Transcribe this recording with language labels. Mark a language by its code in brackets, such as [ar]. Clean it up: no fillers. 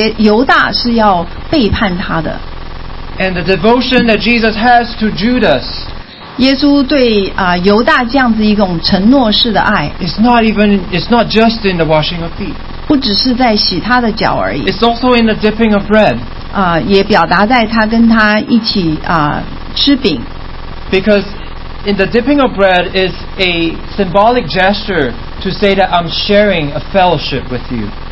[zh] 实际上耶稣他表达他这个神圣的爱的时候，他知道犹大是要背叛他的。 [en] And the devotion that Jesus has to Judas [zh] 耶稣对, 犹大这样子一种承诺式的爱, [en] it's not just in the washing of feet. [zh] 不只是在洗他的脚而已。 [en] It's also in the dipping of bread. [zh] 也表达在他跟他一起, 吃饼。 [en] Because in the dipping of bread is a symbolic gesture to say that I'm sharing a fellowship with you.